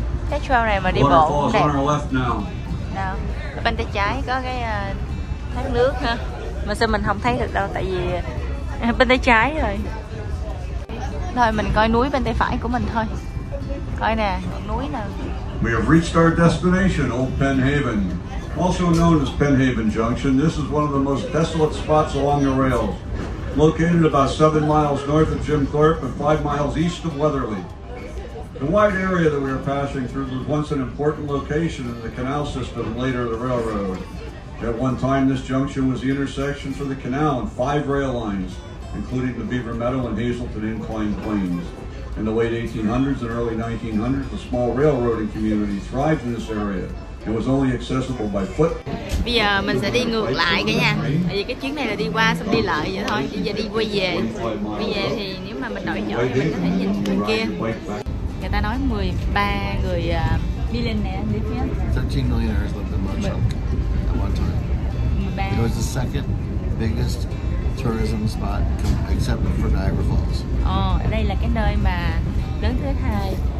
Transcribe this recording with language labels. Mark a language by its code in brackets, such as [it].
[vi] Cái trail này mà đi bộ cũng đẹp. Nào, bên tay trái có cái thác nước ha. Mà sao mình không thấy được đâu, tại vì bên tay trái rồi. Rồi mình coi núi bên tay phải của mình thôi. Coi nè, núi nè. [en] We have reached our destination, Old Penn Haven. Also known as Penn Haven Junction, this is one of the most desolate spots along the rails. Located about 7 miles north of Jim Thorpe and 5 miles east of Weatherly. The wide area that we are passing through was once an important location in the canal system, later the railroad. At one time, this junction was the intersection for the canal and 5 rail lines, including the Beaver Meadow and Hazleton Incline Plains. In the late 1800s and early 1900s, the small railroading community thrived in this area. It was only accessible by foot. [vi] Bây giờ mình sẽ đi ngược lại cả nhà. Bởi vì cái chuyến này là đi qua xong đi lại vậy thôi. Bây giờ đi quay về. Quay về thì nếu mà mình đổi chỗ thì mình có thể nhìn bên kia. Người ta nói 13 người đi lên nè, đi phía. [en] 13 millionaires lived in Mochel at one time. 13. It was the second biggest tourism spot except for Niagara Falls. [vi] Ồ, ở đây là cái nơi mà lớn thứ hai.